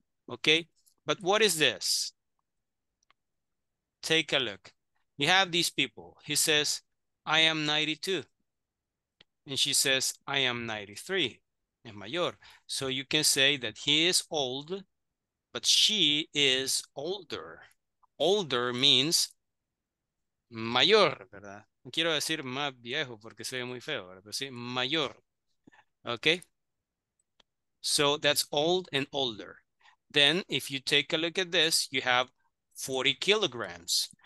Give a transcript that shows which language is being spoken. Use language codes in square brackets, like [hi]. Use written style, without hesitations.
[en] Okay, but what is this? Take a look. You have these people. He says, I am 92. And she says, I am 93. [es] Es mayor. [en] So you can say that he is old, but she is older. Older means mayor, [es] ¿verdad? No quiero decir más viejo porque se ve muy feo, ¿verdad? Pero sí, mayor. Okay, [en] So that's old and older. Then if you take a look at this, you have 40 kilograms.